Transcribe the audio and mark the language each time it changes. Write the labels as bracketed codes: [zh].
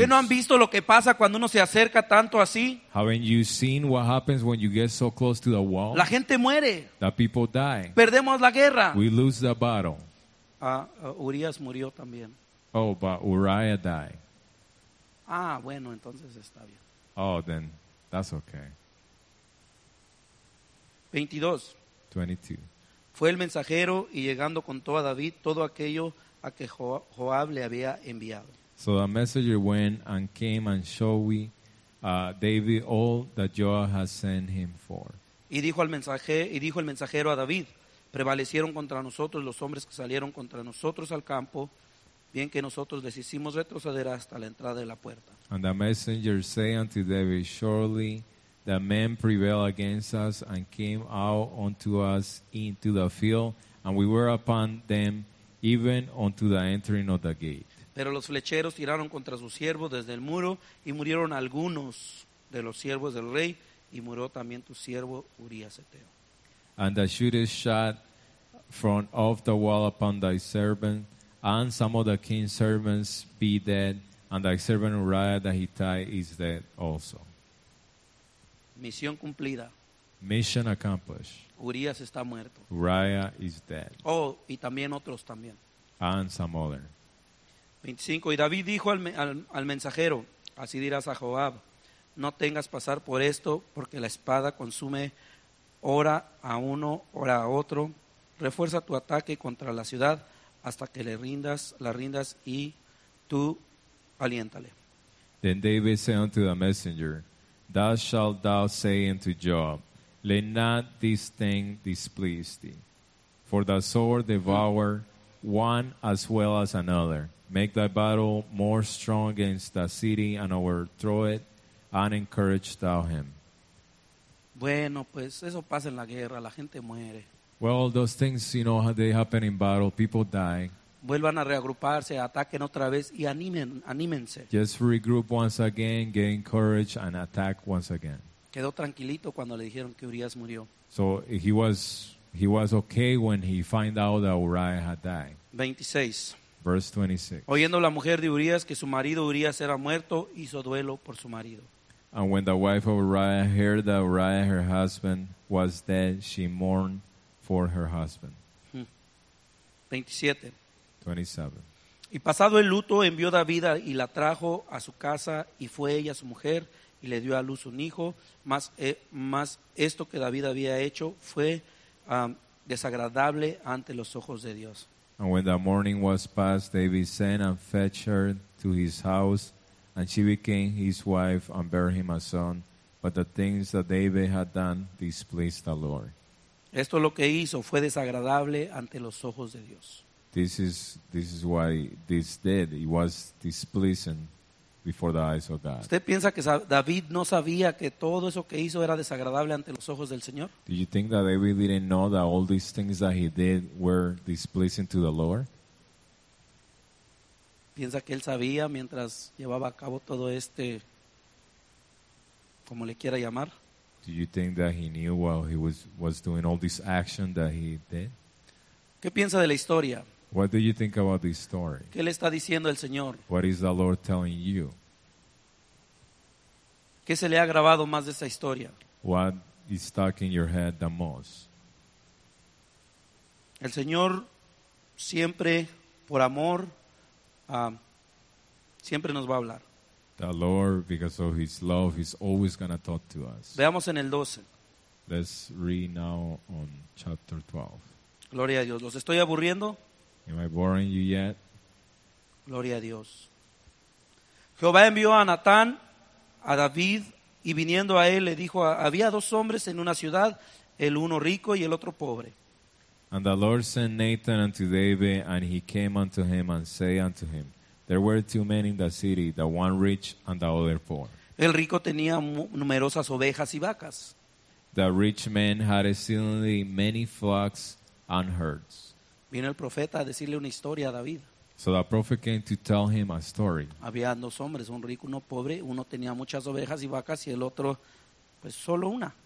[es] ¿Qué no han visto lo que pasa cuando uno se acerca tanto así? [en] Haven't you seen what happens when you get so close to the wall? [es] La gente muere. [en] The people die. [es] Perdemos la guerra. [en] We lose the battle. [es] Urias murió también. [en] Oh, but Uriah died. [es] Ah, bueno, entonces está bien. [en] Oh, then that's okay. [es] 22. Fue el mensajero y llegando contó a David todo aquello a que Joab le había enviado. [en] So the messenger went and came and showed David all that Joab had sent him for. [es] Y dijo el mensajero a David, prevalecieron contra nosotros los hombres que salieron contra nosotros al campo, bien que nosotros les hicimos retroceder hasta la entrada de la puerta. [en] And the messenger said unto David, surely the men prevailed against us and came out unto us into the field, and we were upon them even unto the entering of the gate. [es] Pero los flecheros tiraron contra sus siervos desde el muro y murieron algunos de los siervos del rey, y murió también tu siervo Urías Eteo. [en] And the shooters shot from off the wall upon thy servant, and some of the king's servants be dead, and thy servant Uriah the Hittite is dead also. [es] Misión cumplida. [en] Mission accomplished. [es] Urias está muerto. [en] Uriah is dead. [es] Oh, y también otros también. [en] And some other. [es] 25. Y David dijo al mensajero, así dirás a Joab, no tengas pasar por esto, porque la espada consume hora a uno, hora a otro. Refuerza tu ataque contra la ciudad hasta que la rindas y tú aliéntale. [en] Then David said unto the messenger, thus shalt thou say unto Joab, let not this thing displease thee. For the sword devour one as well as another. Make thy battle more strong against the city and overthrow it, and encourage thou him. [es] Bueno, pues eso pasa en la guerra, la gente muere. [en] Well, those things, you know, they happen in battle, people die. [es] Vuelvan a reagruparse, ataquen otra vez y anímense. [en] Just regroup once again, gain courage and attack once again. [es] Quedó tranquilito cuando le dijeron que Urias murió. [en] So he was okay when he find out that Uriah had died. [es] 26. [en] Verse 26. [es] Oyendo la mujer de Urias que su marido Urias era muerto, hizo duelo por su marido. [en] And when the wife of Uriah heard that Uriah, her husband, was dead, she mourned for her husband. [es] 27. [en] 27. [es] Y pasado el luto, envió David y la trajo a su casa, y fue ella su mujer, y le dio a luz un hijo. Más esto que David había hecho fue desagradable ante los ojos de Dios. [en] And when the morning was past, David sent and fetched her to his house, and she became his wife and bare him a son. But the things that David had done displeased the Lord. [es] Esto lo que hizo fue desagradable ante los ojos de Dios. [en] This is why this did. It was displeasing before the eyes of God. [es] ¿Usted piensa que David no sabía que todo eso que hizo era desagradable ante los ojos del Señor? [en] Do you think that David didn't know that all these things that he did were displeasing to the Lord? [es] ¿Piensa que él sabía mientras llevaba a cabo todo este, como le quiera llamar? [en] Do you think that he knew while he was doing all this action that he did? [es] ¿Qué piensa de la historia? [en] What do you think about this story? [es] ¿Qué le está diciendo el Señor? [en] What is the Lord telling you? [es] ¿Qué se le ha grabado más de esa historia? [en] What is stuck in your head the most? [es] El Señor siempre, por amor, siempre nos va a hablar. [en] The Lord, because of His love, is always going to talk to us. [es] Veamos en el 12. [en] Let's read now on chapter 12. [es] Gloria a Dios. ¿Los estoy aburriendo? [en] Am I boring you yet? [es] Gloria a Dios. Jehová envió a Natán a David, y viniendo a él le dijo, había dos hombres en una ciudad, el uno rico y el otro pobre. [en] And the Lord sent Nathan unto David, and he came unto him and said unto him, there were two men in the city, the one rich and the other poor. [es] El rico tenía numerosas ovejas y vacas. [en] The rich man had exceedingly many flocks and herds. [es] Vino el profeta a decirle una historia a David. [en] So the prophet came to tell him a story. [es] Había dos hombres, un rico y uno pobre. Uno tenía muchas ovejas y vacas, y el otro, pues, solo una.